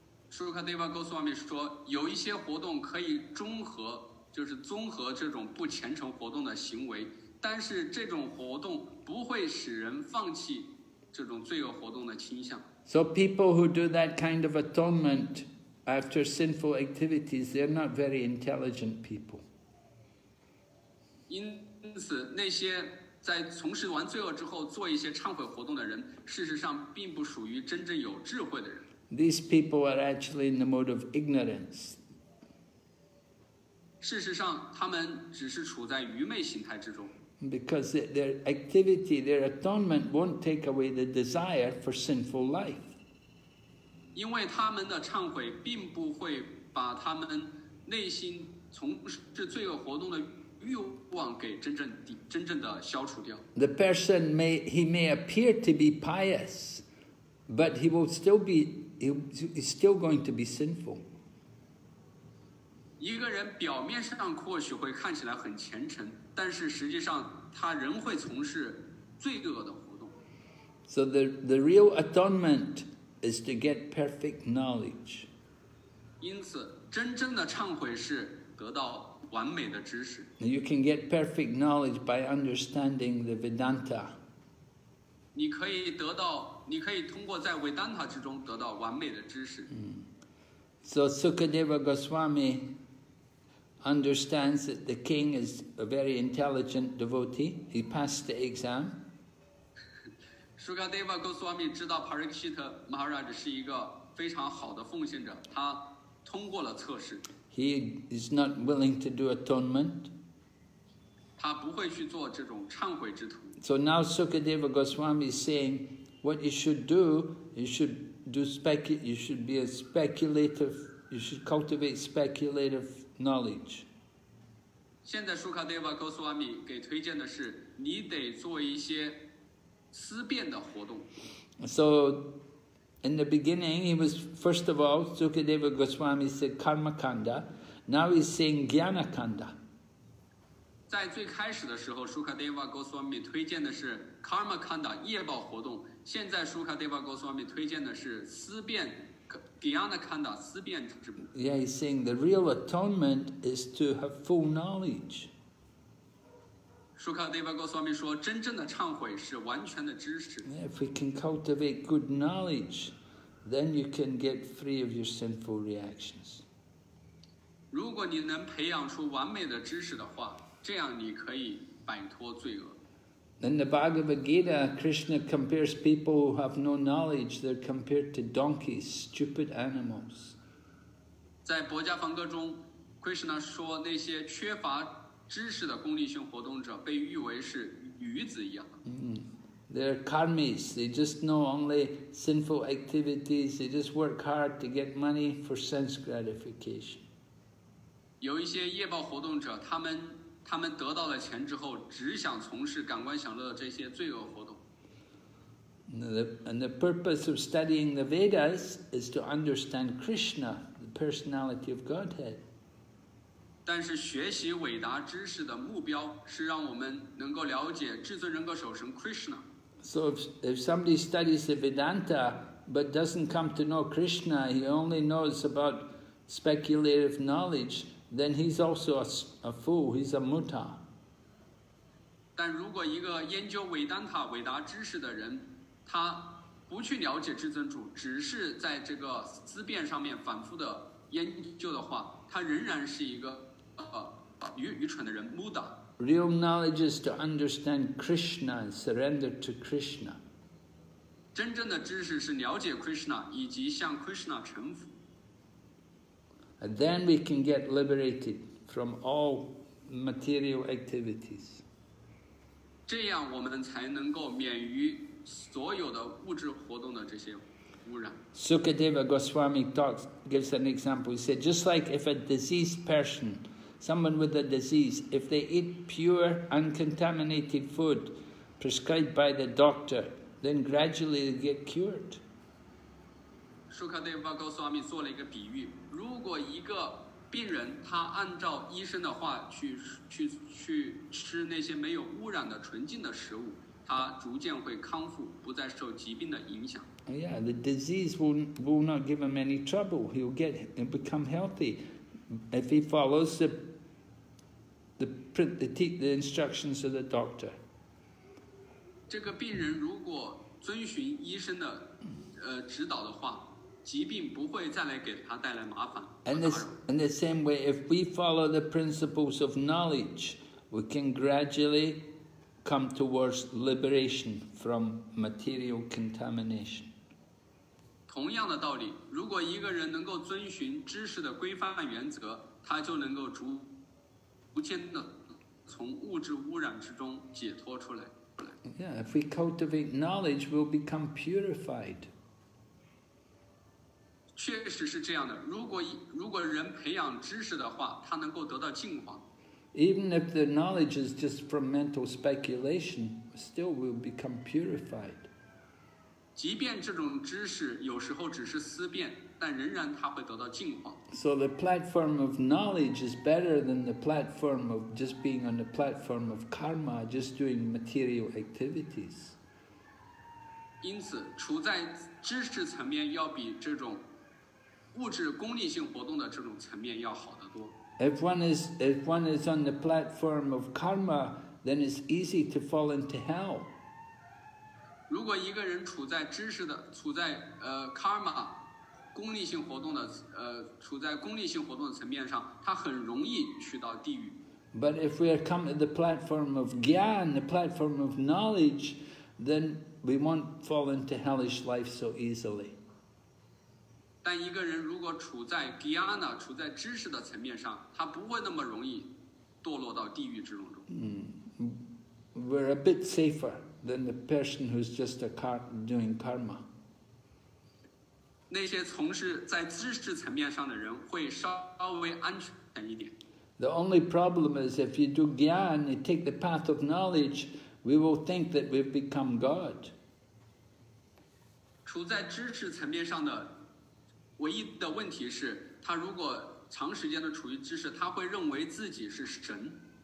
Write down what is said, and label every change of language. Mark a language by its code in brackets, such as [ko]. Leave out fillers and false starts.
[zh] Sukadeva Goswami 说，有一些活动可以综合，就是综合这种不虔诚活动的行为，但是这种活动不会使人放弃这种罪恶活动的倾向。 [en] So people who do that kind of atonement after sinful activities, they're not very intelligent people. [zh] 因此，那些在从事完罪恶之后做一些忏悔活动的人，事实上并不属于真正有智慧的人。 [en] These people are actually in the mode of ignorance. [zh] 事实上，他们只是处在愚昧形态之中。 [en] Because their activity, their atonement won't take away the desire for sinful life. [zh] 因为他们的忏悔并不会把他们内心从事罪恶活动的欲望给真正的消除掉。 [en] The person may, he may appear to be pious, but he will still be, he's still going to be sinful. [zh] 一个人表面上或许会看起来很虔诚，但是实际上他仍会从事罪恶的活动。 [en] So the real atonement is to get perfect knowledge. [zh] 因此，真正的忏悔是得到完美的知识。 [en] You can get perfect knowledge by understanding the Vedanta. [zh] 你可以通过在 Vedanta 之中得到完美的知识。 [en] So Sukadeva Goswami understands that the king is a very intelligent devotee. He passed the exam. [zh] Sukadeva Goswami 知道 Parikshit Maharaj 是一个非常好的奉献者，他通过了测试。 [en] He is not willing to do atonement. [zh] 他不会去做这种忏悔之徒。 [en] So now Sukadeva Goswami is saying, what you should do, you should be a speculative, you should cultivate speculative knowledge. [zh] 现在 Sukadeva Goswami 给推荐的是，你得做一些思辨的活动。 [en] So,In the beginning, he was, first of all, Sukadeva Goswami said Karma Kanda. Now he's saying Jnana Kanda. [zh] 在最开始的时候 ,Sukadeva Goswami 推荐的是 Karma Kanda, 业报活动。现在 Sukadeva Goswami 推荐的是思辨 ,Jnana Kanda, 思辨之部。 [en] Yeah, he's saying the real atonement is to have full knowledge. [zh] Sukadeva Goswami 说真正的忏悔是完全的知识。 [en] If we can cultivate good knowledge, then you can get free of your sinful reactions. [zh] 如果你能培养出完美的知识的话，这样你可以摆脱罪恶。 [en] In the Bhagavad Gita, Krishna compares people who have no knowledge, they're compared to donkeys, stupid animals. [zh] 在薄伽梵歌中 ,Krishna 说那些缺乏知识的功利性活动者被誉为是愚子一样。 [en] They're karmis. They just know only sinful activities. They just work hard to get money for sense gratification. [zh] 有一些业报活动者，他们得到了钱之后，只想从事感官享乐的这些罪恶活动。 [en] And the purpose of studying the Vedas is to understand Krishna, the personality of Godhead. [zh] 但是学习伟达知识的目标是让我们能够了解至尊人格首神 Krishna. [en] So if somebody studies the Vedanta but doesn't come to know Krishna, he only knows about speculative knowledge, then he's also a fool, he's a muta. [zh] 但如果一个研究伟丹塔伟达知识的人，他不去了解至尊主，只是在这个思辨上面反复的研究的话，他仍然是一个愚蠢的人 Muda. [en] Real knowledge is to understand Krishna and surrender to Krishna. [zh] 真正的知识是了解 Krishna 以及向 Krishna 臣服。 [en] And then we can get liberated from all material activities. [zh] 这样我们才能够免于所有的物质活动的这些污染。 [en] Sukadeva Goswami talks, gives an example. He said, just like if a diseased personSomeone with a disease, if they eat pure, uncontaminated food prescribed by the doctor, then gradually they get cured. [zh] Sukadeva Goswami 做了一个比喻，如果一个病人他按照医生的话去吃那些没有污染的纯净的食物，他逐渐会康复，不再受疾病的影响。 [en] Yeah, the disease will not give him any trouble. He'll get and become healthy if he follows the instructions of the doctor. [zh] 这个病人如果遵循医生的指导的话，疾病不会再来给他带来麻烦。 [en] In the same way, if we follow the principles of knowledge, we can gradually come towards liberation from material contamination. [zh] 同样的道理，如果一个人能够遵循知识的规范原则，他就能够逐渐的从物质污染之中解脱出来。 [en] Yeah, if we cultivate knowledge, we'll become purified. [zh] 确实是这样的。如果人培养知识的话，他能够得到净化。 [en] Even if the knowledge is just from mental speculation, still we'll become purified. [zh] 即便这种知识有时候只是思辨，但仍然他会得到净化。 [en] So the platform of knowledge is better than the platform of just being on the platform of karma, just doing material activities. [zh] 因此，处在知识层面要比这种物质功利性活动的这种层面要好得多。 [en] If one is on the platform of karma, then it's easy to fall into hell. [zh] 如果一个人处在知识的处在karma。功利性活动的处在功利性活动的层面上，他很容易去到地狱。 [en] But if we are come to the platform of gyan, the platform of knowledge, then we won't fall into hellish life so easily. [zh] 但一个人如果处在 gyana, 处在知识的层面上，他不会那么容易堕落到地狱之中。 [en] We're a bit safer than the person who's just doing karma. [zh] 那些从事在知识层面上的人会稍微安全一点。 [en] The only problem is if you do gyan, you take the path of knowledge, we will think that we've become God. [zh] 处在知识层面上的唯一的问题是，他如果长时间的处于知识，他会认为自己是神。